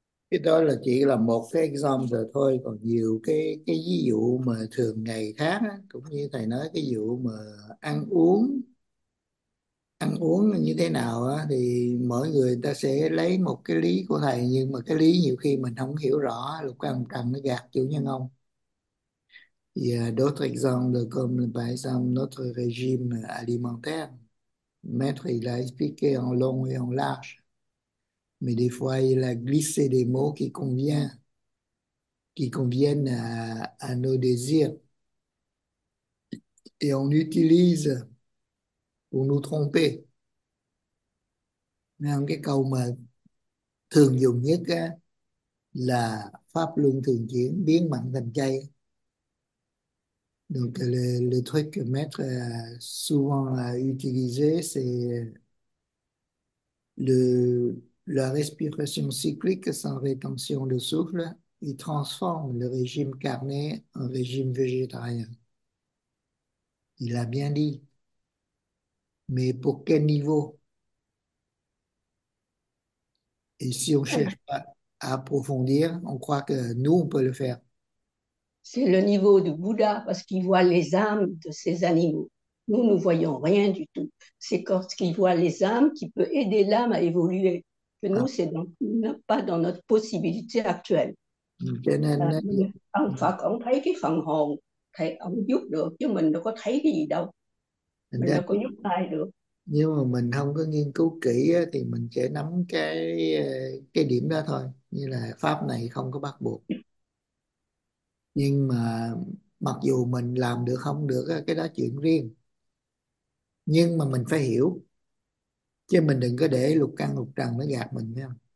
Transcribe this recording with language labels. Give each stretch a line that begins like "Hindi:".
Vietnamese: Cái đó là chỉ là một cái example thôi, còn nhiều cái ví dụ mà thường ngày khác á, cũng như thầy nói cái vụ mà ăn uống như thế nào á, thì mỗi người ta sẽ lấy một cái lý của thầy, nhưng mà cái lý nhiều khi mình không hiểu rõ, lục căn trần nó gạt chủ nhân ông.
French: Yeah, d'autres exemples comme par exemple notre régime alimentaire, maître il a expliqué en long et en large. Mais des fois, il a glissé des mots qui conviennent à nos désirs. Et on l'utilise pour nous tromper.
Vietnamese: Mais cái câu mà thường dùng nhất á, là pháp luân thường chuyển, biến mặn thành chay.
French: Donc, le truc que maître souvent a utilisé, c'est la respiration cyclique sans rétention de souffle, il transforme le régime carné en régime végétarien. Il a bien dit. Mais pour quel niveau? Et si on ne cherche pas à approfondir, on croit que nous, on peut le faire. C'est le niveau de Bouddha parce qu'il voit les âmes de ces animaux. Nous, nous voyons rien du tout. C'est quand il voit les âmes qui peut aider l'âme à évoluer. Que nous, c'est pas dans notre possibilité actuelle.
Vietnamese: Là, ông Phật, ông thấy cái phần hồn, thầy ông giúp được chứ mình đâu có thấy cái gì đâu. Mình đâu có giúp ai được. Nhưng mà mình không có nghiên cứu kỹ thì mình chỉ nắm cái điểm đó thôi, như là pháp này không có bắt buộc, nhưng mà mặc dù mình làm được không được cái đó chuyện riêng, nhưng mà mình phải hiểu chứ, mình đừng có để lục căn lục trần nó gạt mình nha.